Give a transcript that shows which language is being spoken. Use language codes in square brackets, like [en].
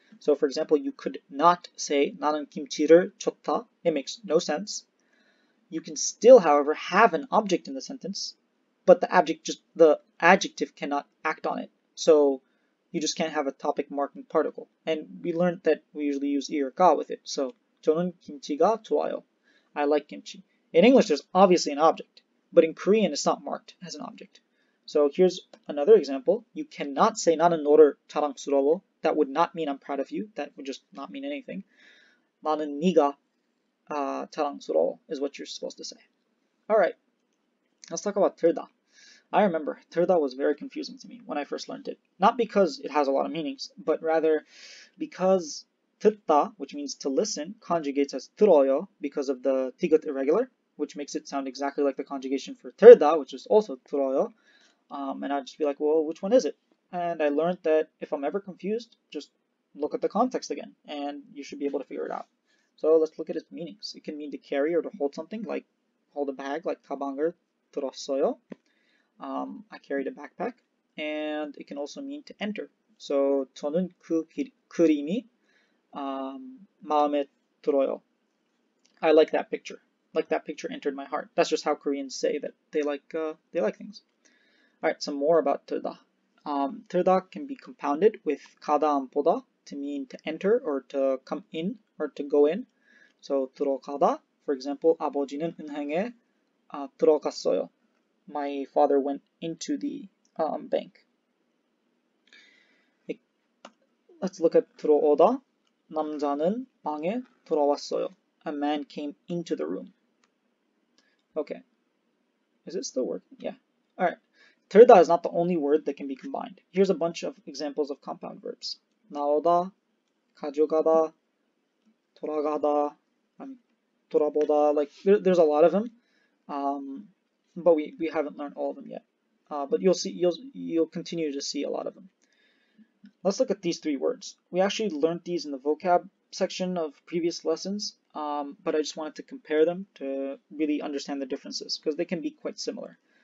[en] So for example, you could not say [ko] 나는 김치를 좋다. [en] It makes no sense. You can still, however, have an object in the sentence, but the adjective cannot act on it. So you just can't have a topic marking particle. And we learned that we usually use 이 or 가 with it. [ko] So 저는 김치가 좋아요. [en] I like kimchi. In English, there's obviously an object, but in Korean, it's not marked as an object. So here's another example. You cannot say [ko] 나는 너를 자랑스러워. [en] That would not mean I'm proud of you. That would just not mean anything. [ko] 나는 네가 자랑스러워 [en] is what you're supposed to say. All right, let's talk about 들다. I remember 들다 was very confusing to me when I first learned it. Not because it has a lot of meanings, but rather because 듣다, which means to listen, conjugates as 들어요 because of the 티긋 irregular, which makes it sound exactly like the conjugation for 들다, which is also 들어요. And I'd just be like, well, which one is it? And I learned that if I'm ever confused, just look at the context again, and you should be able to figure it out. So let's look at its meanings. It can mean to carry or to hold something, like hold a bag, like [ko] 가방을 들었어요. [en] I carried a backpack. And it can also mean to enter. [ko] So 저는 그림이 마음에 들어요. [en] I like that picture. Like that picture entered my heart. That's just how Koreans say that they like things. All right, some more about 들다. 들다 can be compounded with 가다 and 보다 to mean to enter or to come in or to go in. [ko] So 들어가다, [en] for example, [ko] 아버지는 은행에 들어갔어요. [en] My father went into the bank. Let's look at 들어오다. [ko] 남자는 방에 들어왔어요. [en] A man came into the room. Okay. Is it still working? Yeah. All right. 들다 is not the only word that can be combined. Here's a bunch of examples of compound verbs. [ko] 나오다, 가져가다, 돌아가다, 돌아보다. [en] Like, there's a lot of them, but we haven't learned all of them yet. But you'll continue to see a lot of them. Let's look at these three words. We actually learned these in the vocab section of previous lessons, but I just wanted to compare them to really understand the differences, because they can be quite similar.